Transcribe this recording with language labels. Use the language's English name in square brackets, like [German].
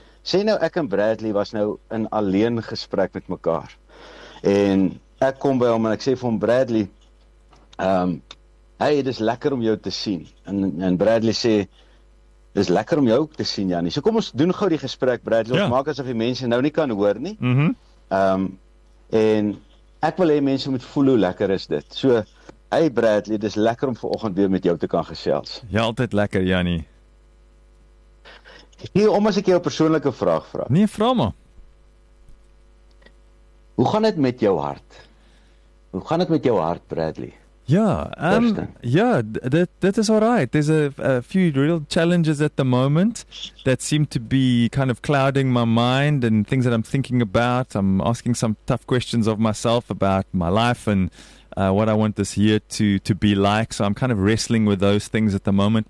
[Afrikaans] Sê nou, ek en Bradley was nou in alleen gesprek met mekaar. En ek kom by hom en ek sê vir hom, Bradley, hey, dit is lekker om jou te sien. En Bradley sê, dit is lekker om jou ook te sien, Jannie. So kom ons doen gauw die gesprek, Bradley. Ja. Maak asof die mense nou nie kan hoor nie. Mm-hmm. En ek wil hê mense moet voel hoe lekker is dit. So, hey Bradley, dit is lekker om vanoggend weer met jou te kan gesels. Ja, altyd lekker, Jannie. Hierom as ek jou persoonlike vraag vraag. Nee, vraag maar. Hoe gaan dit met jou hart? Hoe gaan dit met jou hart, Bradley? [English] Yeah, that is all right. There's a few real challenges at the moment that seem to be kind of clouding my mind and things that I'm thinking about. I'm asking some tough questions of myself about my life and what I want this year to be like. So I'm kind of wrestling with those things at the moment.